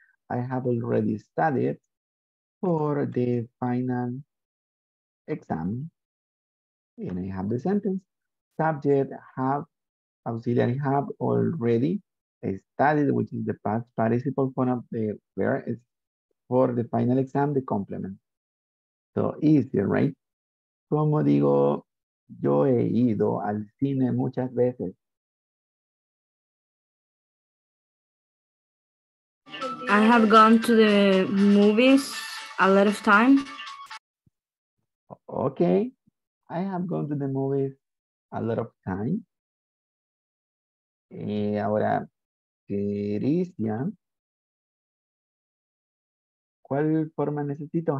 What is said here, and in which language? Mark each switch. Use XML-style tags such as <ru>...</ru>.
<en>I have already studied for the final exam, and I have the sentence. Subject, have, auxiliary, have already studied, which is the past participle form of the verb, is for the final exam, the complement. So easy, right?</en> <es>Como digo, yo he ido al cine muchas veces.</es> <en>I have gone to the movies a lot of time. Okay, I have gone to the movies a lot of time.</en> <es>Ahora, Cristian, ¿cuál forma necesito?</es>